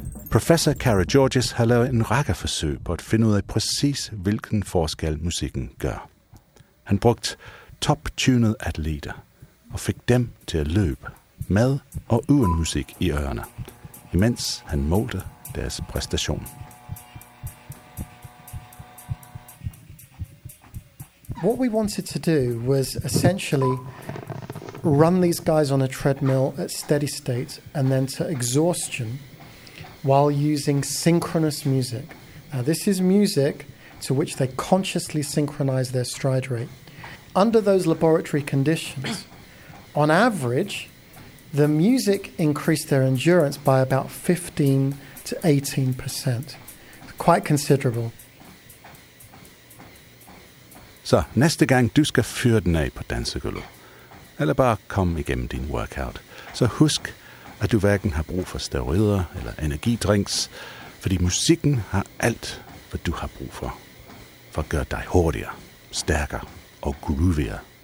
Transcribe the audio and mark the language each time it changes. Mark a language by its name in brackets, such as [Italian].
[Danish] Professor Kara Georges har lavet en række forsøg på at finde ud af præcis, hvilken forskel musikken gør. Han brugte top-tunede atleter og fik dem til at løbe med og uden musik i ørerne, imens han målte deres præstation. [English] What we wanted to do was essentially run these guys on a treadmill at steady state and then to exhaustion while using synchronous music. Now, this is music to which they consciously synchronize their stride rate. Under those laboratory conditions, on average, the music increased their endurance by about 15 to 18%. Quite considerable. [Danish] Så næste gang du skal fyre den af på dansegulvet, eller bare komme igennem din workout, så husk, at du hverken har brug for steroider eller energidrinks, fordi musikken har alt, hvad du har brug for, for at gøre dig hurtigere, stærkere og grooviere.